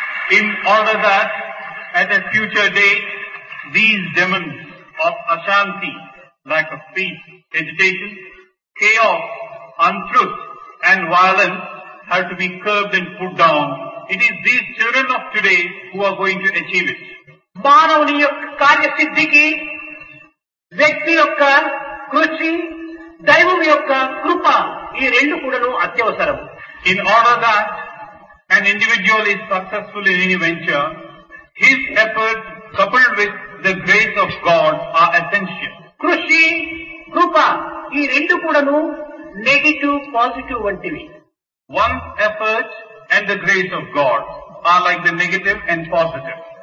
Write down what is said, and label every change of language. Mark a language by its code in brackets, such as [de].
[en] In order that, at a future date, these demons of ashanti, lack of peace, agitation, chaos, untruth and violence have to be curbed and put down. It is these children of today who are going to achieve it. [te] మానవుని యొక్క కార్యసిద్ధికి వ్యక్తి యొక్క కృషి, దైవం యొక్క కృప ఈ రెండు కూడాను అత్యవసరం. [en] In order that, an individual is successful in any venture, his efforts coupled with the grace of God are essential. [te] Krushi, Krupa, ee rendu kudanu [en] negative positive [te] vantivi. [en] One's effort and the grace of God are like the negative and positive.